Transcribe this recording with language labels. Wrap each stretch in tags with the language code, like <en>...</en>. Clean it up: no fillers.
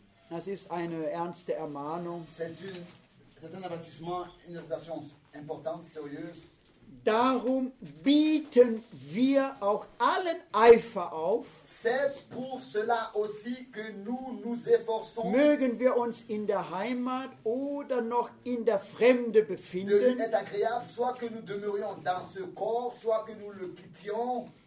<de>Das ist eine ernste Ermahnung.</de> <fr>C'est un avertissement, une exhortation importante, sérieuse.</fr> <de>Darum bieten wir auch allen Eifer auf.</de> <fr>C'est pour cela aussi que nous nous efforçons.</fr> <de>Mögen wir uns in der Heimat oder noch in der Fremde befinden.</de> <fr>De lui est agréable, soit que nous demeurions dans ce corps, soit que nous le quittions.</fr>